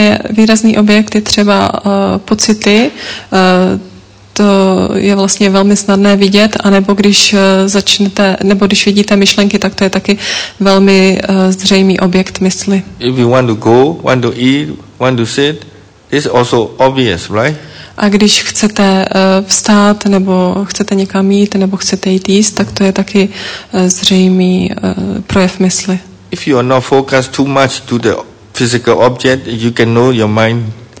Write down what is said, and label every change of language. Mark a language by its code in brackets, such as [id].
[cs] Výrazný objekt je třeba pocity. To je vlastně velmi snadné vidět, anebo když začnete, nebo když vidíte myšlenky, tak to je taky velmi zřejmý objekt mysli. [en] If you want to go, want to eat, want to sit, it's also obvious, right? [cs] A když chcete vstát, nebo chcete někam jít, nebo chcete jít jíst, tak to je taky zřejmý projev mysli. [en] If you are not focused too much to the physical object, you can know your mind.